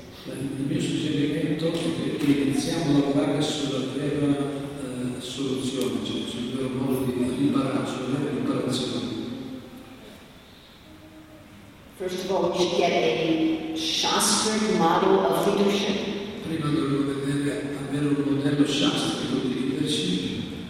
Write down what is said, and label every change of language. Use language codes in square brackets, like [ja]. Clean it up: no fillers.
[it] Il mio suggerimento è che iniziamo a lavorare sulla vera soluzione, cioè sul vero modo di riparare, sulla vera riparazione. [en] First of all, we should get a Shastric model of leadership. [it] Prima dobbiamo vedere avere un modello Shastrico di leadership.